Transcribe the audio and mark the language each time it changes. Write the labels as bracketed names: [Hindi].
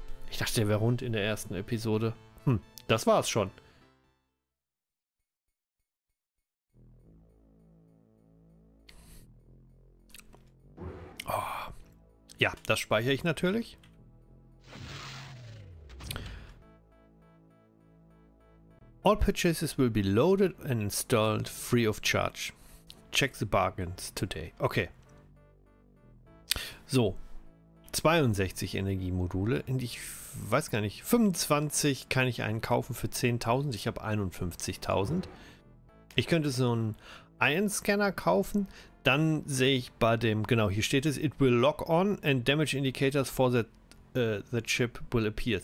[German] Ich dachte, der wäre rund in der ersten Episode. Das war's schon. Oh. Ja, das speichere ich natürlich. [English] All purchases will be loaded and installed free of charge. Check the bargains today. Okay. [German] So, 62 Energiemodule und ich weiß gar nicht, 25 kann ich einen kaufen für 10.000, ich habe 51.000. Ich könnte so einen Ion-Scanner kaufen, dann sehe ich bei dem, genau hier steht es, [English] it will lock on and damage indicators for the chip will appear.